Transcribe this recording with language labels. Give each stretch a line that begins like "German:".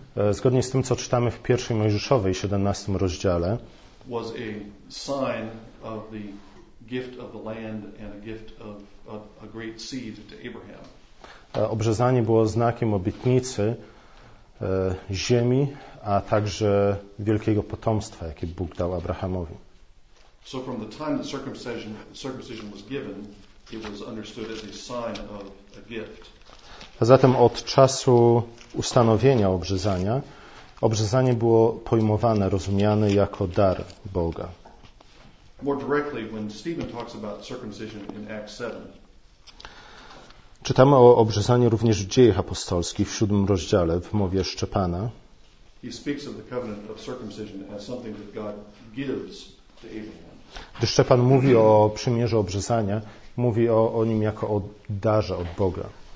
Polish: Zgodnie z tym, co czytamy w pierwszej Mojżeszowej, 17 rozdziale,
English: was a sign of the gift of the land and a gift of a great seed to Abraham.
Polish: Obrzezanie było znakiem obietnicy ziemi, a także wielkiego potomstwa, jakie Bóg dał Abrahamowi.
English: So from the time that circumcision was given, it was understood as a sign of a gift.
Polish: A zatem od czasu ustanowienia obrzezania, obrzezanie było pojmowane, rozumiane jako dar Boga.
English: More directly, when Stephen talks about circumcision in Acts 7.
Polish: Czytamy o obrzezaniu również w Dziejach Apostolskich, w 7 rozdziale, w mowie Szczepana.
English: He speaks of the covenant of circumcision as something that God gives to Abraham.
Polish: Gdy Szczepan mówi o przymierzu obrzezania, mówi o nim jako o darze od Boga.